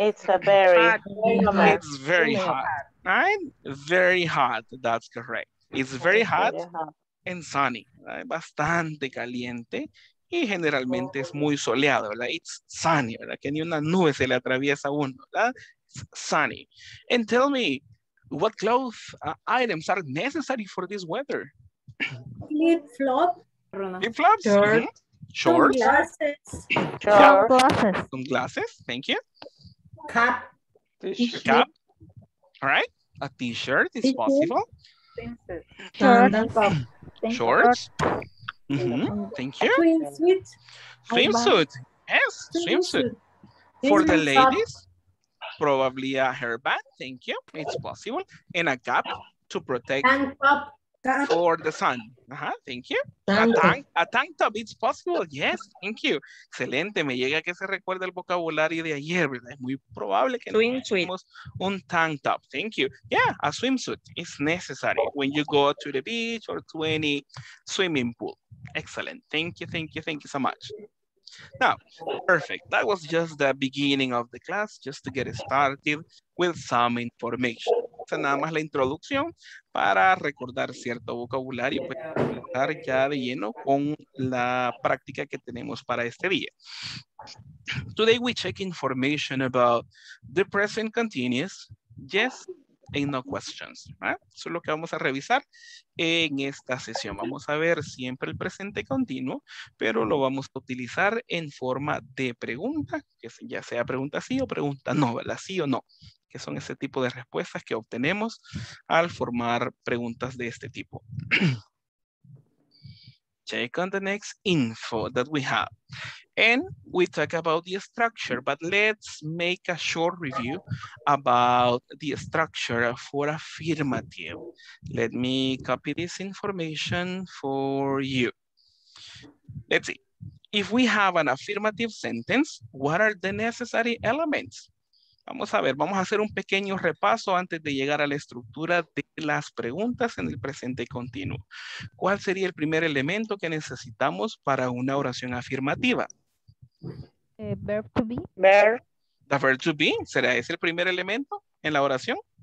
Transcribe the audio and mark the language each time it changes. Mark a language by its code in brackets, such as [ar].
[en] It's very hot. Right? Very hot. That's correct. It's very hot. And sunny, [es] ¿verdad? Bastante caliente y generalmente es muy soleado, ¿verdad? [en] It's sunny, [es] ¿verdad? Que ni una nube se le atraviesa a uno, ¿verdad? [en] It's sunny. And tell me, what clothes items are necessary for this weather? Flip flops. Shorts. Sunglasses. Sunglasses. Thank you. Cap. T-shirt. Cap. All right. A t-shirt is possible. Shorts. Mm-hmm. Thank you. Swimsuit. Yes, swimsuit. For the ladies, probably a hairband. Thank you. It's possible. And a cap to protect for the sun. Uh-huh. Thank you. A tank top. It's possible. Yes, thank you. [es] Excelente. Me llega que se recuerde el vocabulario de ayer, ¿verdad? Es muy probable que tengamos [en] un tank top. Thank you. Yeah, a swimsuit is necessary when you go to the beach or to any swimming pool. Excellent. Thank you so much. Now, perfect. That was just the beginning of the class, just to get started with some information. [es] Nada más la introducción para recordar cierto vocabulario y pues, estar ya de lleno con la práctica que tenemos para este día. [en] Today we check information about the present continuous, yes, and no questions, right? [es] Eso es lo que vamos a revisar en esta sesión. Vamos a ver siempre el presente continuo, pero lo vamos a utilizar en forma de pregunta, que ya sea pregunta sí o pregunta no, ¿verdad? Sí o no, que son ese tipo de respuestas que obtenemos al formar preguntas de este tipo. [en] Check on the next info that we have. And we talk about the structure, but let's make a short review about the structure for affirmative. Let me copy this information for you. Let's see. If we have an affirmative sentence, what are the necessary elements? [es] Vamos a ver, vamos a hacer un pequeño repaso antes de llegar a la estructura de las preguntas en el presente continuo. ¿Cuál sería el primer elemento que necesitamos para una oración afirmativa? [en] Verb to be. Verb. [es] The verb to be, ¿será ese el primer elemento en la oración?